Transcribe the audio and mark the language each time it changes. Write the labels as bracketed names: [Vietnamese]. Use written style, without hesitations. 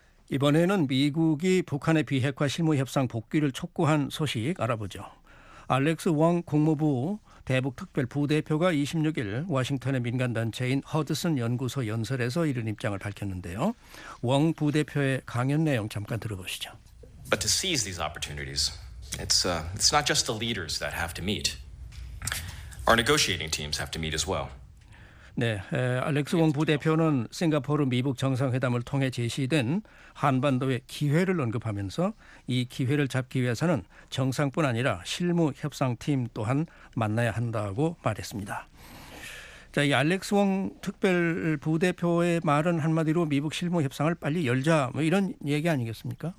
[Korean] 이번에는 미국이 북한의 비핵화 실무협상 복귀를 촉구한 소식 알아보죠. 알렉스 왕 국무부 대북특별부대표가 26일 워싱턴의 민간단체인 허드슨 연구소 연설에서 이런 입장을 밝혔는데요. 왕 부대표의 강연 내용 잠깐 들어보시죠. [English] But to seize these opportunities, it's not just the leaders that have to meet. Our negotiating teams have to meet as well. [Korean] 네, 알렉스 왕 부대표는 싱가포르 미북 정상회담을 통해 제시된 한반도의 기회를 언급하면서 이 기회를 잡기 위해서는 정상뿐 아니라 실무 협상팀 또한 만나야 한다고 말했습니다. 자, 이 알렉스 왕 특별 부대표의 말은 한마디로 미북 실무 협상을 빨리 열자 뭐 이런 얘기 아니겠습니까?